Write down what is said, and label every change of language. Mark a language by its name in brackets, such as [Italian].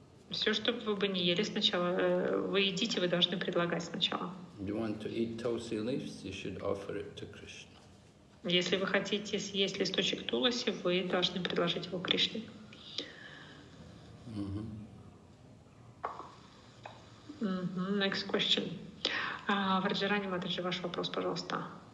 [Russian] Все, что бы вы не ели сначала, вы едите, вы должны предлагать сначала. [English] You want to eat tulsi leaves, you should offer it to Krishna. [Russian] Если вы хотите съесть листочек туласи, вы должны предложить его Кришне. [English] Next question. [Russian] Варджарани Матаджи, ваш вопрос, пожалуйста.